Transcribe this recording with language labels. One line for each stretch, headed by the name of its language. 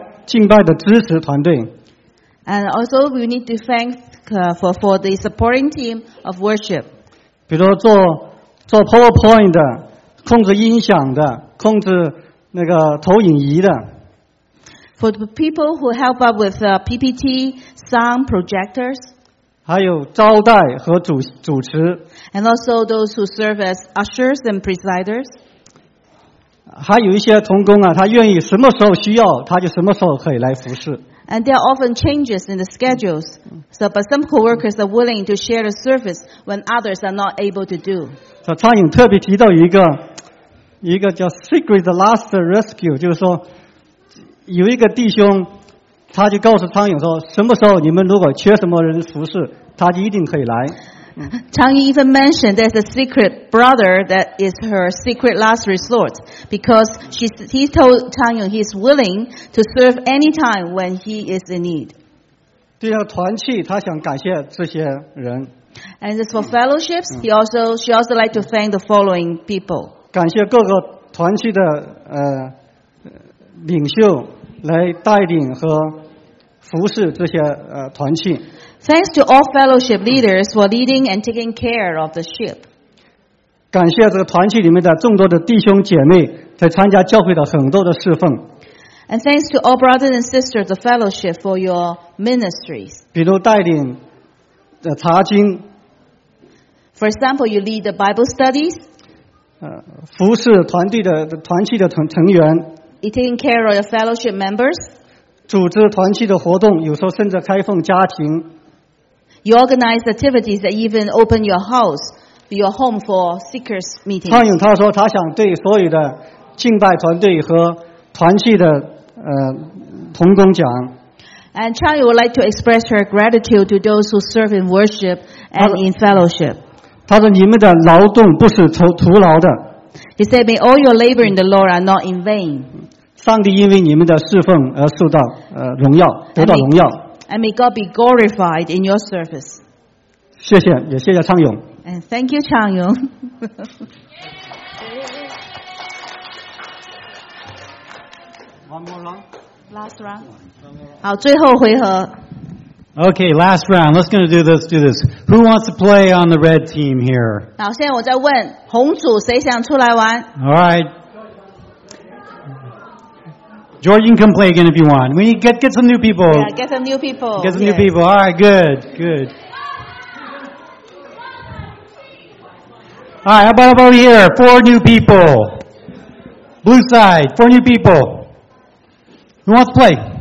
Chinese: 也感谢很多敬拜的支持团队。
English: And also, we need to thank for the supporting team of worship.
Chinese: 比如做 PowerPoint 的，控制音响的，控制。那个投影仪的,
English: For the people who help up with PPT, sound projectors,
Chinese: 还有招待和主持,
English: and also those who serve as ushers and presiders,
Chinese: 还有一些同工啊, 他愿意什么时候需要, 他就什么时候可以来服侍。
English: And there are often changes in the schedules, but some co-workers are willing to share the service when others are not able to do.
Chinese: 苍蝇特别提到一个, 一个叫 Secret Last Rescue， 就是说，有一个弟兄，他就告诉苍蝇说，什么时候你们如果缺什么人服侍，他就一定可以来。苍蝇
English: even mentioned there's a secret brother that is her secret last resort because he told 苍蝇 he's willing to serve any time when he is in need.
Chinese: 对呀，团契，他想感谢这些人。
English: And as for fellowships, she also like to thank the following people.
Chinese: 感谢各个团契的领袖来带领和服侍这些团契。
English: Thanks to all fellowship leaders for leading and taking care of the ship.
Chinese: 感谢这个团契里面的众多的弟兄姐妹在参加教会的很多的侍奉。
English: And thanks to all brothers and sisters of fellowship for your ministries.
Chinese: 比如带领的查经。
English: For example, you lead the Bible studies.
Chinese: 服侍团队的团契的成员。
English: You taking care of your fellowship members.
Chinese: 组织团契的活动，有时候甚至开放家庭。
English: You organize activities that even open your house, your home for seekers meetings.
Chinese: 汤勇他说他想对所有的敬拜团队和团契的同工讲。
English: And Chang would like to express her gratitude to those who serve in worship and in fellowship.
Chinese: 他说你们的劳动不是徒劳的。
English: He said, "May all your labor in the Lord are not in vain."
Chinese: 上帝因为你们的侍奉而受到荣耀，得到荣耀。
English: And may God be glorified in your service.
Chinese: 谢谢，也谢谢昌勇。
English: And thank you, Chang Yong. One more round. Last round.
Chinese: 好，最后回合。
English: Okay, last round. Let's gonna do this. Who wants to play on the red team here?
Chinese: 好，现在我在问红组谁想出来玩。
English: All right. George, you can play again if you want. We need to get some new people. Yeah, get some new people. Get some new people. All right, good. All right, how about over here? Four new people. Blue side, four new people. Who wants to play?